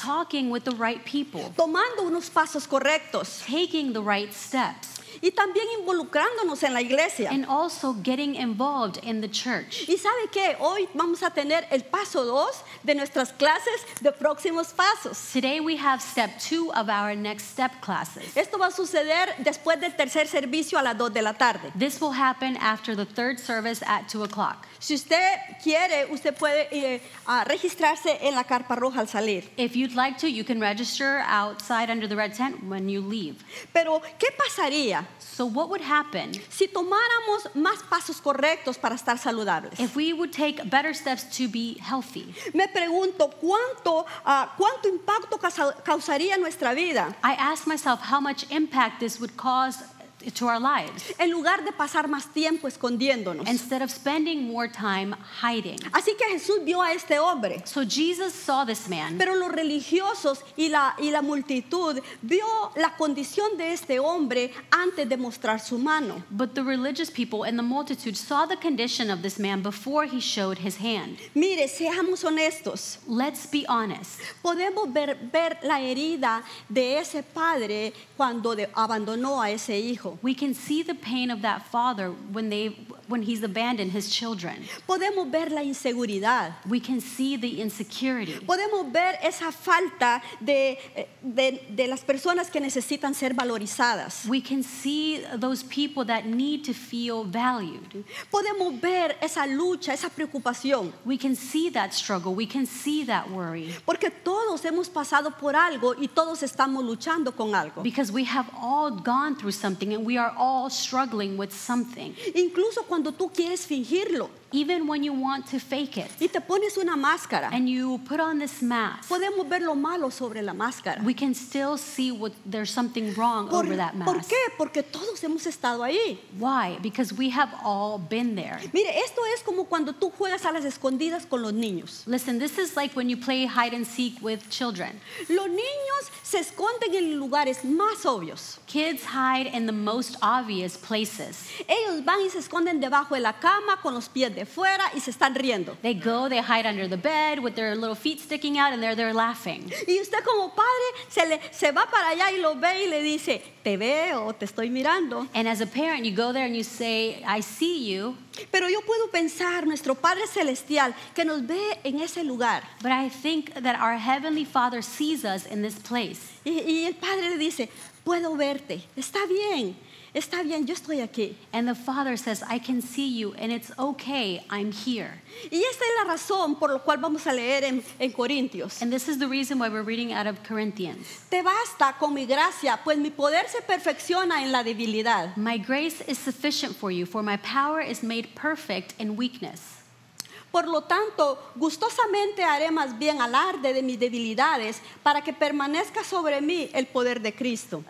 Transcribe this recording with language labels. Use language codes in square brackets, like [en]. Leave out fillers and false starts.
[en] Talking with the right people. [es] Tomando unos pasos correctos. [en] Taking the right steps. [es] Y también involucrándonos en la iglesia. [en] And also getting involved in the church. [es] ¿Y sabe qué? Hoy vamos a tener el paso 2 de nuestras clases de próximos pasos. [en] Today we have step 2 of our next step classes. [es] Esto va a suceder después del tercer servicio a las 2 de la tarde. [en] This will happen after the third service at 2 o'clock. [es] Si usted quiere, usted puede registrarse en la carpa roja al salir. [en] If you'd like to, you can register outside under the red tent when you leave. [es] Pero, ¿qué pasaría? [en] So what would happen? [es] Si tomáramos más pasos correctos para estar saludables. [en] If we would take better steps to be healthy. [es] Me pregunto, ¿cuánto impacto causaría nuestra vida? [en] I ask myself how much impact this would cause to our lives. [es] En lugar de pasar más tiempo escondiéndonos. [en] Instead of spending more time hiding. [es] Así que Jesús vio a este hombre. [en] So Jesus saw this man. [es] Pero los religiosos y la multitud vio la condición de este hombre antes de mostrar su mano. [en] But the religious people and the multitude saw the condition of this man before he showed his hand. [es] Mire, seamos honestos. [en] Let's be honest. [es] Podemos ver la herida de ese padre cuando abandonó a ese hijo. [en] We can see the pain of that father when he's abandoned his children. [es] Podemos ver la inseguridad. [en] We can see the insecurity. [es] Podemos ver esa falta de las personas que necesitan ser valorizadas. [en] We can see those people that need to feel valued. [es] Podemos ver esa lucha, esa preocupación. [en] We can see that struggle. We can see that worry. [es] Porque todos hemos pasado por algo y todos estamos luchando con algo. [en] Because we have all gone through something and we are all struggling with something. [es] Incluso cuando tú quieres fingirlo. [en] Even when you want to fake it. [es] Y te pones una máscara. [en] And you put on this mask. [es] Podemos ver lo malo sobre la máscara. [en] We can still see what there's something wrong [es] por, [en] over that mask. [es] ¿Por qué? Porque todos hemos estado ahí. [en] Why? Because we have all been there. [es] Mire, esto es como cuando tú juegas a las escondidas con los niños. [en] Listen, this is like when you play hide and seek with children. [es] Los niños se esconden en lugares más obvios. [en] Kids hide in the most obvious places. [es] Ellos van y se esconden debajo de la cama con los pies de fuera y se están riendo. [en] They go, they hide under the bed with their little feet sticking out and they're laughing. [es] Y usted como padre se va para allá y lo ve y le dice, te veo, te estoy mirando. [en] And as a parent, you go there and you say, I see you. [es] Pero yo puedo pensar, nuestro Padre Celestial, que nos ve en ese lugar. [en] But I think that our Heavenly Father sees us in this place. [es] Y el Padre le dice, puedo verte, está bien. Está bien, yo estoy aquí. [en] And the Father says, I can see you, and it's okay, I'm here. [es] Y esta es la razón por la cual vamos a leer en Corintios. [en] And this is the reason why we're reading out of Corinthians. [es] Te basta con mi gracia, pues mi poder se perfecciona en la debilidad. [en] My grace is sufficient for you, for my power is made perfect in weakness. [es] Por lo tanto, gustosamente haré más bien alarde de mis debilidades para que permanezca sobre mí el poder de Cristo.